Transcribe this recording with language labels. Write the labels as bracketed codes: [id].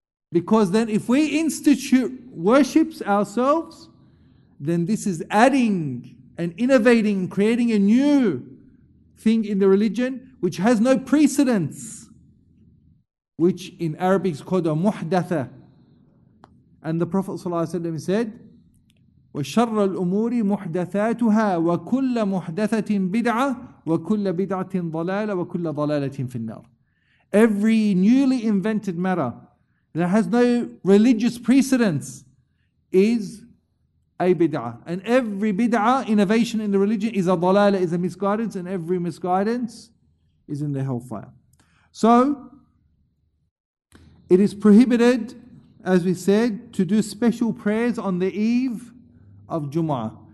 [en] Because then if we institute worships ourselves, then this is adding and innovating, creating a new thing in the religion which has no precedence, which in Arabic is called a muhdatha. And the Prophet ﷺ said, [ar] وَشَرَّ الْأُمُورِ مُحْدَثَاتُهَا وَكُلَّ مُحْدَثَةٍ بِدْعَةٍ وَكُلَّ بِدْعَةٍ ضَلَالَ وَكُلَّ ضَلَالَةٍ فِي النَّارِ. [en] Every newly invented matter that has no religious precedence is a bid'ah. And every bid'ah, innovation in the religion, is a ضَلَالَ, is a misguidance, and every misguidance is in the hellfire. So, it is prohibited, as we said, to do special prayers on the eve of Jum'ah.